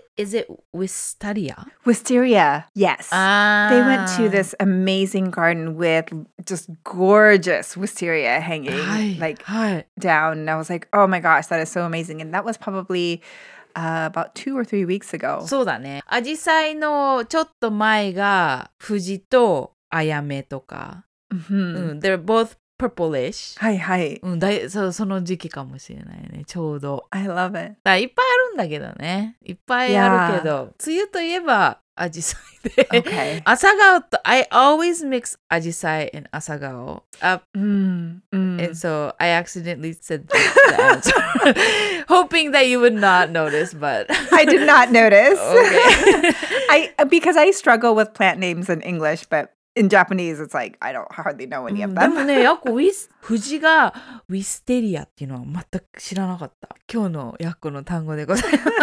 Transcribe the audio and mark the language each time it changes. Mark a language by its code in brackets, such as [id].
[en] Is it wisteria? Wisteria. Yes. They went to this amazing garden with just gorgeous wisteria hanging like down. And I was like, oh my gosh, that is so amazing. And that was probably about 2 or 3 weeks ago. [ja] そうだね。アジサイのちょっと前が藤とアヤメとか。 Mm-hmm. [en] うん、they're both purplish. [ja] はいはい。うん、だその時期かもしれないね。ちょうど。 [en] I love it. [ja] だいっぱいあるんだけどね。いっぱいあるけど。Yeah. 梅雨といえば、アジサイで。 [en] Okay. 朝顔と、I always mix アジサイ and 朝顔。 And so I accidentally said the answer, hoping that you would not notice, but... I did not notice. Okay. Because I struggle with plant names in English, but in Japanese, it's like, I don't hardly know any of them. [ja] でもね、ヤッコ、フジがウィステリアっていうのは全く知らなかった。今日のヤッコの単語でございます。